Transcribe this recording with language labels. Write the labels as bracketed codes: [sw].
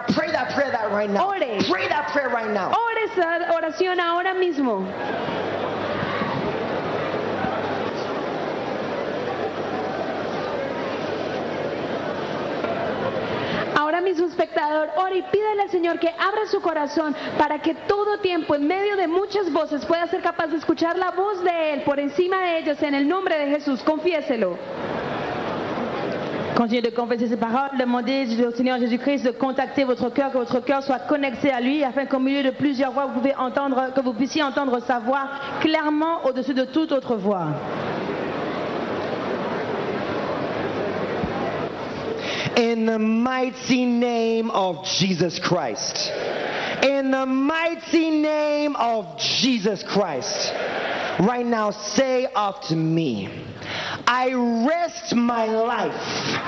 [en] Pray that prayer that right now. [es] Ore. [en] Pray that prayer right now. [es] Ore esa oración ahora mismo. Mismo espectador, ora y pídele al Señor que abra su corazón para que todo tiempo, en medio de muchas voces, pueda ser capaz de escuchar la voz de Él por encima de ellos en el nombre de Jesús. Confiéselo. [fr] Continuez de confesser ces paroles, demandez au Seigneur Jésus-Christ de contacter votre cœur, que votre cœur soit connecté à lui, afin qu'au milieu de plusieurs voix, vous puissiez entendre sa voix clairement au-dessus de toute autre voix. [en] In the mighty name of Jesus Christ. In the mighty name of Jesus Christ. Right now, say after me. I rest my life.